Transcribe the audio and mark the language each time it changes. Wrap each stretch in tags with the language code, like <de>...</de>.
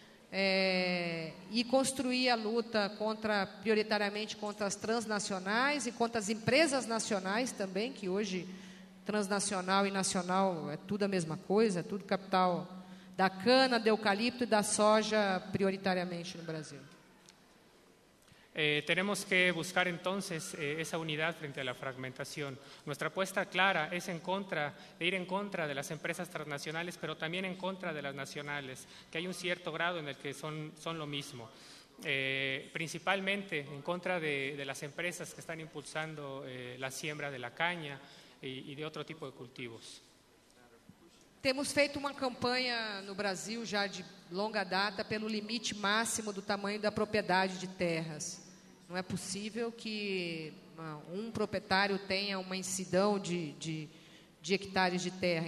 <pt>E construir a luta prioritariamente contra as transnacionais e contra as empresas nacionais também, que hoje transnacional e nacional é tudo a mesma coisa, é tudo capital da cana, do eucalipto e da soja prioritariamente no Brasil.</pt> <es>Tenemos que buscar entonces esa unidad frente a la fragmentación. Nuestra apuesta clara es ir en contra de las empresas transnacionales, pero también en contra de las nacionales, que hay un cierto grado en el que son lo mismo. Principalmente en contra de las empresas que están impulsando la siembra de la caña y de otro tipo de cultivos.</es> <pt>Temos feito uma campanha no Brasil já de longa data pelo limite máximo do tamanho da propriedade de terras. Não é possível que um proprietário tenha uma incidão de hectares de terra.</pt>